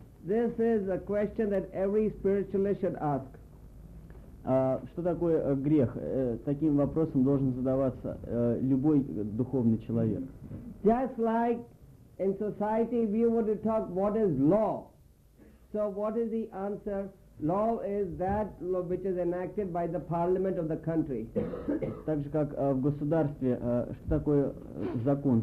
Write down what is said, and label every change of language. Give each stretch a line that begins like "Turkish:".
English: This is a question that every spiritualist should ask.
Russian: Что такое грех? Таким вопросом должен задаваться любой духовный человек.
English: Just like in society, if you were to talk, what is law? So what is the answer? Law is that law which is enacted by the parliament of the country.
Russian: Так же как в государстве, что такое закон?